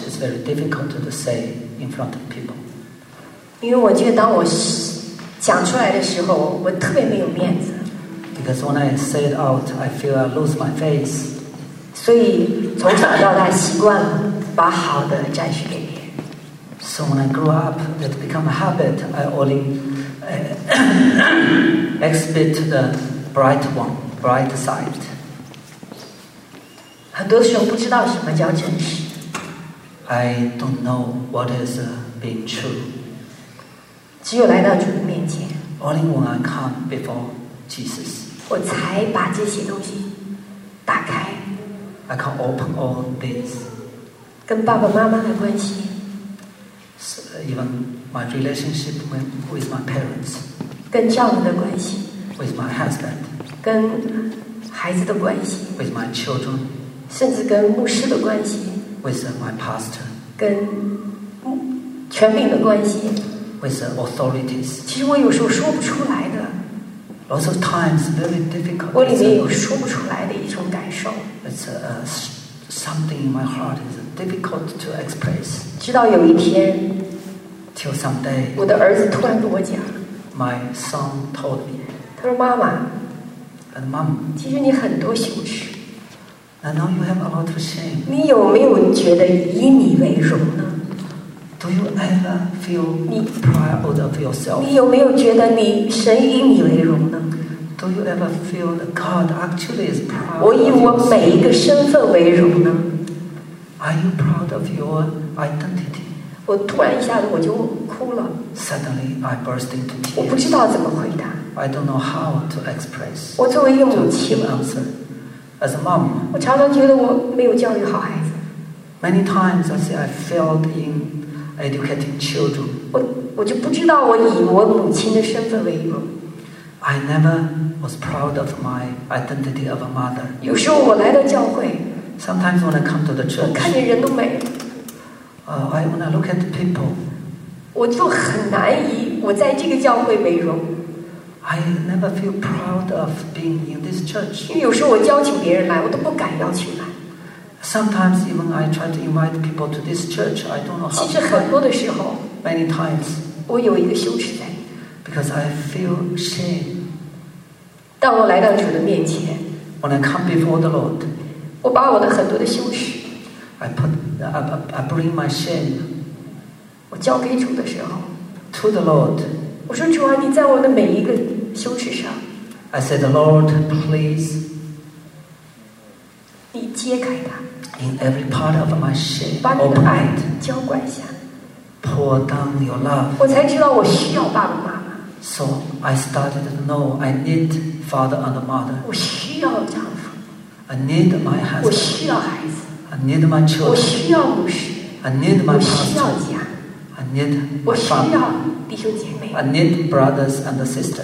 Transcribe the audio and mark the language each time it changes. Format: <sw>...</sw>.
<en>It's very difficult to say in front of people.</en> <zh>因为我觉得当我讲出来的时候，我特别没有面子。</zh> <en>Because when I say it out, I feel I lose my face.</en> <zh>所以从小到大习惯把好的展示给别人。</zh> <en>So when I grew up, it became a habit. I only exhibit the bright one, bright side.</en> <zh>很多时候不知道什么叫真实。</zh> <en>I don't know what is being true.</en> <zh>只有来到主的面前。</zh> <en>Only when I come before Jesus.</en> <zh>我才把这些东西打开。</zh> <en>I can open all this.</en> <zh>跟爸爸妈妈的关系。</zh> <en>So, even my relationship with my parents.</en> <zh>跟丈夫的关系。</zh> <en>With my husband.</en> <zh>跟孩子的关系。</zh> <en>With my children.</en> <zh>甚至跟牧师的关系。</zh> <en>With my pastor.</en> <zh>跟权柄的关系。</zh> <en>With authorities.</en> <zh>其实我有时候说不出来的。</zh> <en>Lots of times, very difficult.</en> <zh>我里面有说不出来的一种感受。</zh> <en>It's something in my heart is difficult to express.</en> <zh>直到有一天</zh> <en>，till someday,</en> <zh>我的儿子突然跟我讲。</zh> <en>My son told me.</en> <zh>他说：“妈妈。</zh> <en>”And mom.</en> <zh>其实你很多羞耻。</zh> <en>And now you have a lot of shame.</en> <zh>你有没有觉得以你为荣呢？</zh> <en>Do you ever feel proud of yourself?</en> <zh>你有没有觉得你神以你为荣呢</zh> <en>？Do you ever feel that God actually is proud of yourself?</en> <zh>我以我每一个身份为荣呢</zh> <en>？Are you proud of your identity?</en> <zh>我突然一下子我就哭了。</zh> <en>Suddenly I burst into tears.</en> <zh>我不知道怎么回答。</zh> <en>I don't know how to express.</en> <zh>我作为一个母亲</zh> <en>，answer as a mom.</en> <zh>我常常觉得我没有教育好孩子。</zh> <en>Many times I say I failed in. Educating children,</en> <zh>我就不知道我以我母亲的身份为荣。</zh> <en>I never was proud of my identity of a mother.</en> <zh>有时候我来到教会</zh> <en>，Sometimes when I come to the church,</en> <zh>我看见人都没。</zh> <en>When I look at the people,</en> <zh>我就很难以我在这个教会为荣。</zh> <en>I never feel proud of being in this church.</en> <zh>因为有时候我邀请别人来，我都不敢邀请来。</zh> <en>Sometimes even I try to invite people to this church. I don't know how.</en> <zh>其实很多的时候</zh> <en>，many times，</en> <zh>我有一个羞耻在。</zh> <en>Because I feel shame.</en> <zh>当我来到主的面前</zh> <en>，when I come before the Lord，</en> <zh>我把我的很多的羞耻</zh> <en>I bring my shame.</en> <zh>我交给主的时候</zh> <en>，to the Lord，</en> <zh>我说主啊，你在我的每一个羞耻上</zh> <en>，I said, Lord, please.</en> <zh>你揭开它</zh> <en>，In every part of my shame,</en> <zh>把你的爱浇灌下</zh> <en>，Pour down your love.</en> <zh>我才知道我需要爸爸妈妈。</zh> <en>So I started to know I need father and mother.</en> <zh>我需要丈夫。</zh> <en>I need my husband.</en> <zh>我需要孩子。</zh> <en>I need my children.</en> <zh>我需要牧师。</zh> <en>I need my pastor.</en> <zh>我需要家。</zh> <en>I need my</en> <zh>family. 我需要弟兄姐妹。</zh> <en>I need brothers and sisters.</en>